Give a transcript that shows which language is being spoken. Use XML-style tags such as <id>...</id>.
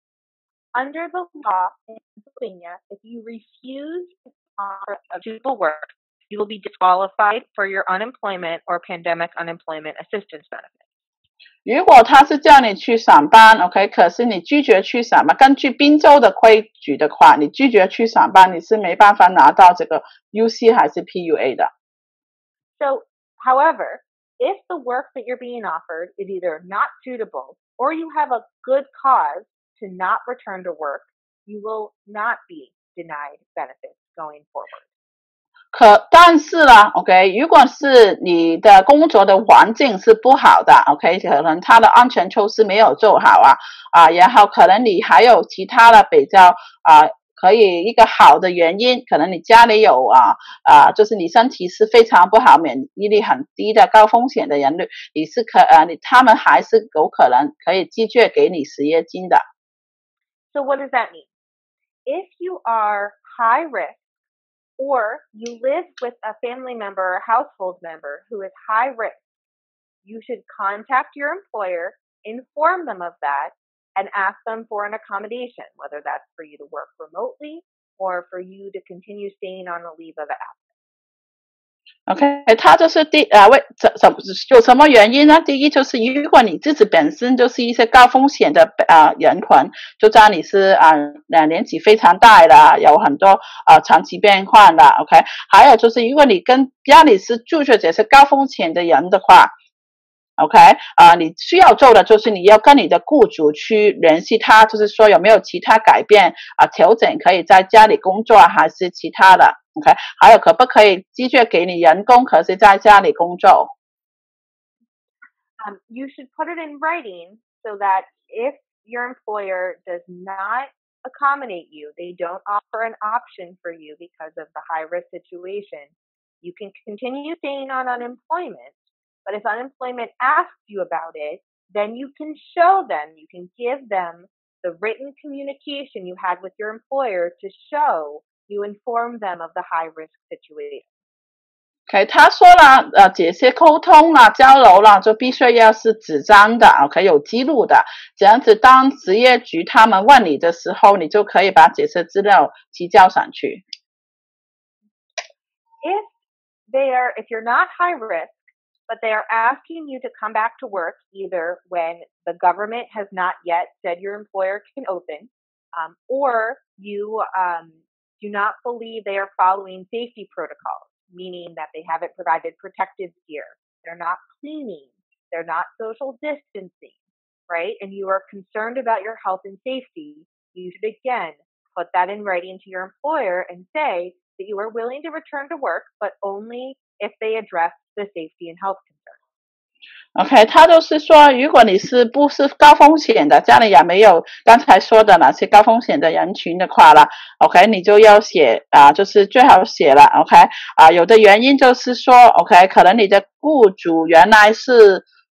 <en>the law in Pennsylvania, if you refuse to offer a people work, you will be disqualified for your unemployment or pandemic unemployment assistance benefit.</en> <zh>如果他是叫你去上班， okay， 可是你拒绝去上班，根据宾州的规矩的话，你拒绝去上班，你是没办法拿到这个 UC 还是 PUA 的。</zh> <en>So, however, if the work that you're being offered is either not suitable or you have a good cause to not return to work, you will not be denied benefits going forward.</en> <zh>但是呢 ，OK， 如果是你的工作的环境是不好的 ，OK， 可能他的安全措施没有做好啊，然后可能你还有其他的比较可以一个好的原因，可能你家里有就是你身体是非常不好，免疫力很低的高风险的人，你是他们还是有可能可以拒绝给你失业金的。So</zh> <en>what does that mean? If you are high risk, or you live with a family member or household member who is high risk, you should contact your employer, inform them of that, and ask them for an accommodation, whether that's for you to work remotely or for you to continue staying on a leave of absence.</en> <zh>Okay， 他就是第，有什么原因呢？第一就是如果你自己本身就是一些高风险的人群，就知道你是年纪非常大的，有很多长期病患的 ，OK， 还有就是如果你跟家里是住着这些高风险的人的话 ，OK， 你需要做的就是你要跟你的雇主去联系他，就是说有没有其他改变调整可以在家里工作还是其他的。 OK， 还有可不可以拒绝给你人工，可是在家里工作</zh> <en>？You should put it in writing so that if your employer does not accommodate you, they don't offer an option for you because of the high risk situation, you can continue staying on unemployment. But if unemployment asks you about it, then you can show them, you can give them the written communication you had with your employer to show you inform them of the high risk situation.</en> <zh>Okay， 他说了，这些沟通啦、交流啦，就必须要是纸张的 ，OK， 有记录的，这样子当职业局他们问你的时候，你就可以把这些资料提交上去。</zh> <en>If you're not high risk, but they are asking you to come back to work either when the government has not yet said your employer can open, or you do not believe they are following safety protocols, meaning that they haven't provided protective gear, they're not cleaning, they're not social distancing, right? And you are concerned about your health and safety, you should again put that in writing to your employer and say that you are willing to return to work, but only if they address the safety and health concerns.</en> <zh>OK， 他就是说，如果你是不是高风险的，家里也没有刚才说的那些高风险的人群的话了 ，OK， 你就要写，就是最好写了 ，OK， 有的原因就是说 ，OK， 可能你的雇主原来是</zh>